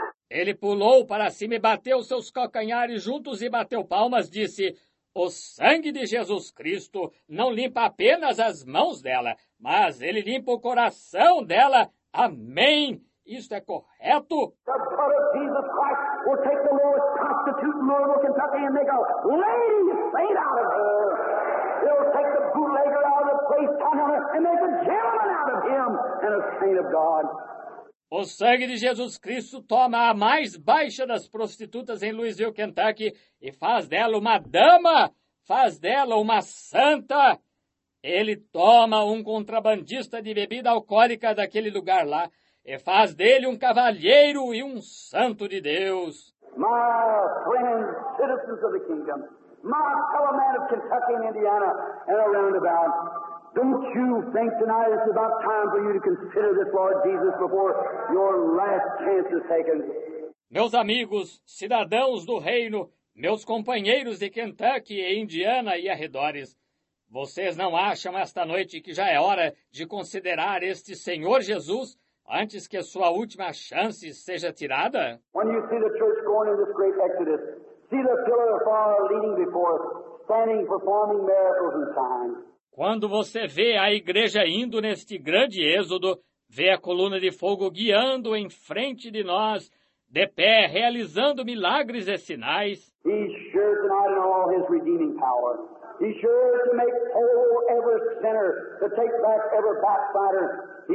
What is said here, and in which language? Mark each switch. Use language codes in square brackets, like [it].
[pt] Ele pulou para cima e bateu seus calcanhares juntos e bateu palmas, disse, o sangue de Jesus Cristo não limpa apenas as mãos dela, mas ele limpa o coração dela, amém. Isto é correto? [en] The blood of Jesus Christ will take the lowest prostitute in Louisville, Kentucky, and make a lady saint out of her. They'll take the bootlegger out of the place, turn on her, and make a gentleman out of him and a saint of God. [pt] O sangue de Jesus Cristo toma a mais baixa das prostitutas em Louisville, Kentucky, e faz dela uma dama, faz dela uma santa. Ele toma um contrabandista de bebida alcoólica daquele lugar lá, e faz dele um cavalheiro e um santo de Deus. [en] My friends, citizens of the kingdom, my fellow men of Kentucky and Indiana and around about, don't you think tonight it's about time for you to consider this Lord Jesus before your last chance is taken? [pt] Meus amigos, cidadãos do reino, meus companheiros de Kentucky e Indiana e arredores, vocês não acham esta noite que já é hora de considerar este Senhor Jesus antes que a sua última chance seja tirada? [en] When you see the church going in this great exodus, see the pillar of fire leading before us, standing, performing miracles and signs. [pt] Quando você vê a igreja indo neste grande êxodo, vê a coluna de fogo guiando em frente de nós, de pé, realizando milagres e sinais. [en] He sure tonight in all his redeeming power. He sure to make whole every sinner, to take back every backslider.